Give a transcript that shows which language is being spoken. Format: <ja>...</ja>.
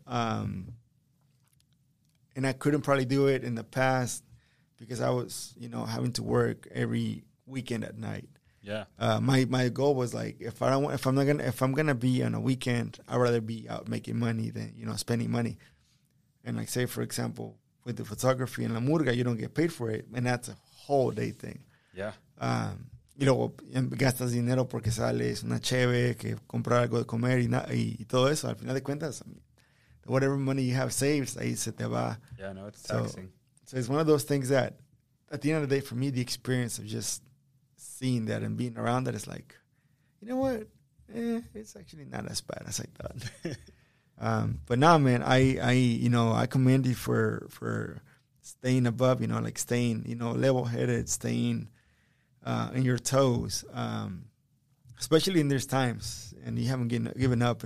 <en>And I couldn't probably do it in the past because I was, you know, having to work every weekend at night. Yeah. My goal was like, if I'm gonna be on a weekend, I'd rather be out making money than, you know, spending money. And like say for example, with the photography in La Murga, you don't get paid for it, and that's a whole day thing. Yeah.</en> <es>Y luego gastas dinero porque sales una cheve, que comprar algo de comer y todo eso. Al final de cuentas,</es> <en>I mean, whatever money you have saved,</en> <es>ahí se te va.</es> <en>Yeah, no, it's so taxing. So it's one of those things that, at the end of the day, for me, the experience of just seeing that and being around that is like, you know what? It's actually not as bad as I thought. but now, nah, man, I you know, I commend you for staying above, you know, like staying, you know, level-headed, staying in your toes, especially in these times, and you haven't given up.</en>